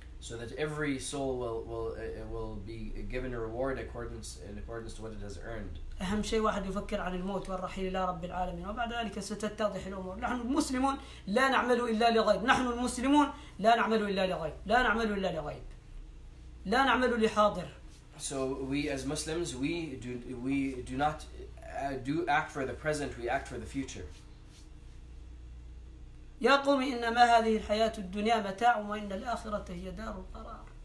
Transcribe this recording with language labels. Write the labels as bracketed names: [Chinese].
[English] So that every soul will be given a reward in accordance to what it has earned. [Arabic] أهم شيء واحد يفكر عن الموت والرحيل إلى رب العالمين وبعد ذلك ستتضح الأمور. نحن المسلمون لا نعمل إلا لغيب. نحن المسلمون لا نعمل إلا لغيب. لا نعمل إلا لغيب. لا نعمل لحاضر. [English] So we as Muslims we do not act for the present. We act for the future. [Arabic] يا قوم إنما هذه الحياة الدنيا متاع وإن الآخرة هي دار القرار.